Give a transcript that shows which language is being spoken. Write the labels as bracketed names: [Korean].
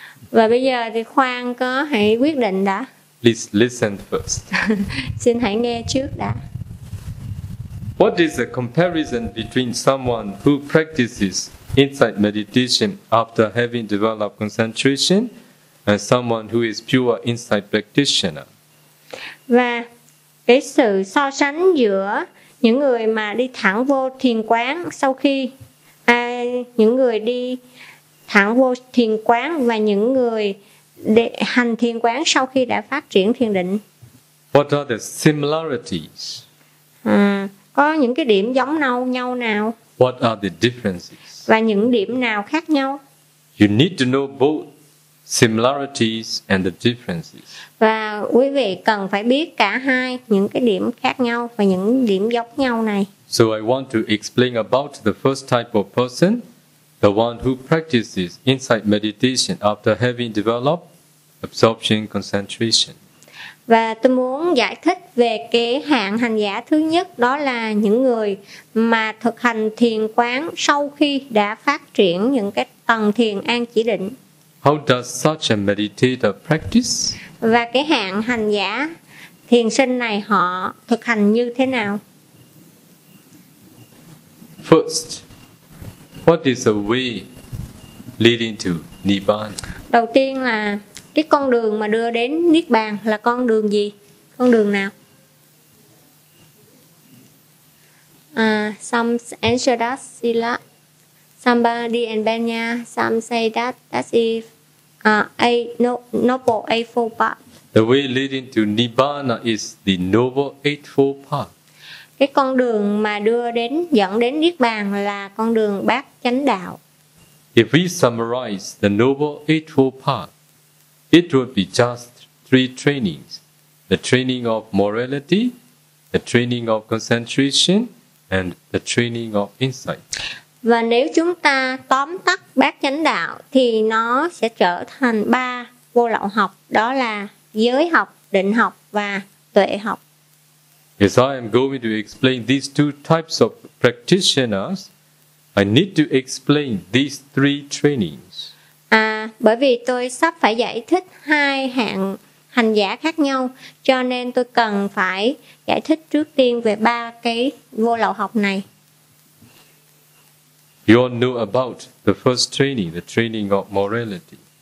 [Vietnamese] Và bây giờ thì khoan có hãy quyết định đã. [English] Please listen first. [Vietnamese] Xin hãy nghe trước đã. [English] What is the comparison between someone who practices insight meditation after having developed concentration and someone who is pure insight practitioner? [Vietnamese] Và cái sự so sánh giữa những người mà đi thẳng vô thiền quán sau khi những người đi thẳng vô thiền quán và những người hành thiền quán sau khi đã phát triển thiền định. [English] What are the similarities? [Vietnamese] Có những cái điểm giống nhau nào? [English] What are the differences? [Vietnamese] Và những điểm nào khác nhau? [English] You need to know both similarities and the differences. [Vietnamese] Và quý vị cần phải biết cả hai, những cái điểm khác nhau và những điểm giống nhau này. [English] So I want to explain about the first type of person, the one who practices insight meditation after having developed absorption concentration. [Vietnamese] Và tôi muốn giải thích về cái hạng hành giả thứ nhất, đó là những người mà thực hành thiền quán sau khi đã phát triển những cái tầng thiền an chỉ định. [English] How does such a meditator practice? [Vietnamese] Và cái hạng hành giả thiền sinh này họ thực hành như thế nào? [English] First, what is the way leading to Nibbana? [Vietnamese] Đầu tiên là cái con đường mà đưa đến Niết Bàn là con đường gì? Con đường nào? [English] Some answer that Sila. Somebody in Benya. Some say that that's if a Noble Eightfold Path. The way leading to Nibbana is the Noble Eightfold Path. [Vietnamese] Cái con đường mà dẫn đến Niết Bàn là con đường Bát Chánh Đạo. [English] If we summarize the Noble Eightfold Path, it would be just three trainings: the training of morality, the training of concentration, and the training of insight. [Vietnamese] Và nếu chúng ta tóm tắt Bát Chánh Đạo thì nó sẽ trở thành ba vô lậu học, đó là giới học, định học và tuệ học. [English] As I am going to explain these two types of practitioners, I need to explain these three trainings. [Vietnamese] Bởi vì tôi sắp phải giải thích hai hạng hành giả khác nhau, cho nên tôi cần phải giải thích trước tiên về ba cái vô lậu học này. [English] You all know about the first training, the training of morality.